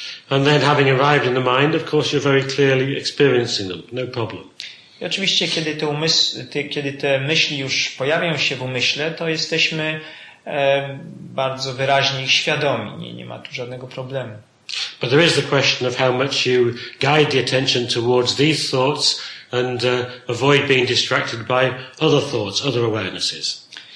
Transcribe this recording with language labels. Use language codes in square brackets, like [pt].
[en] And then having arrived in the mind, of course you're very clearly experiencing them, no problem. [pl] I oczywiście, kiedy te, kiedy te myśli już pojawią się w umyśle, to jesteśmy bardzo wyraźnie ich świadomi. Nie ma tu żadnego problemu. [en] But there is the question of how much you guide the attention towards these thoughts and avoid being distracted by other thoughts, other awarenesses.